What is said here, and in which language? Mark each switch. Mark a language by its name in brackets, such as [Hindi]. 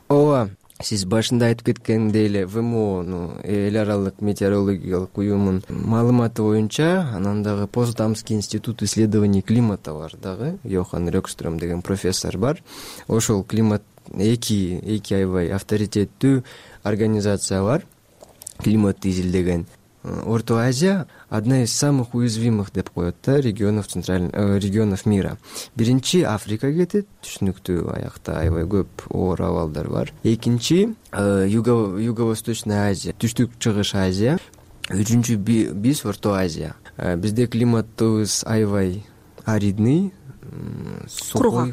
[Kyrgyz] Ооба, сиз башында айтып кеткендей эле ВМОнун, эл аралык метеорологиялык уюмунун маалыматы боюнча, анан дагы Потсдамский институт исследований климата бар дагы, Йохан Рёкстрём деген профессор бар. Ошол климат эки аябай авторитеттүү организация бар, климатты изилдеген. [Russian] Орто Азия одна из самых уязвимых [Kyrgyz] деп коет, да, [Russian] регионов регионов мира. [Kyrgyz] Биринчи Африка кетет, түшүнүктүү, аякта аябай көп оор абалдар бар. Экинчи Юго-Восточная Азия, Түштүк-Чыгыш Азия. Үчүнчү биз Орто Азия. Бизде климаттыбыз аябай [Russian] аридный, сухой,